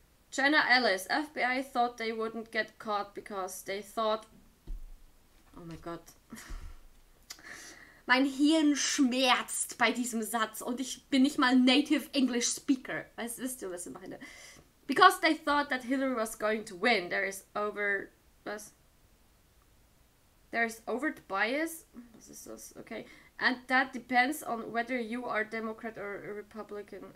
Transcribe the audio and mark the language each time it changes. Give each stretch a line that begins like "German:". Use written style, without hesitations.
English: Jenna Ellis, FBI thought they wouldn't get caught because they thought...
German: Oh mein Gott. Mein Hirn schmerzt bei diesem Satz und ich bin nicht mal
English: Native English Speaker.
German: Weißt, wisst ihr, was ich meine?
English: Because they thought that Hillary was going to win. There is over...
German: Was?
English: There is overt bias?
German: Was ist das?
English: Okay. And that depends on whether you are Democrat or a Republican.